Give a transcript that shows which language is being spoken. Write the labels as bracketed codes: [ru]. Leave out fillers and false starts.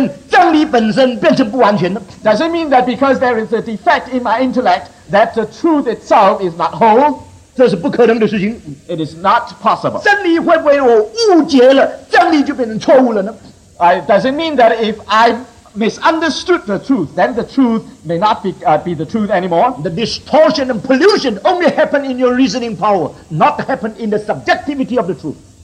[zh] 真理会不会因为我的理性不完全，真理本身变成不完全呢？ [en] Does it mean that because there is a defect in my intellect, that the truth itself is not whole? [zh] 这是不可能的事情。 [en] It is not possible. [zh] 真理会不会我误解了，真理就变成错误了呢？ [en] Does it mean that if I misunderstood the truth, then the truth may not be the truth anymore? The distortion and pollution only happen in your reasoning power, not happen in the subjectivity of the truth.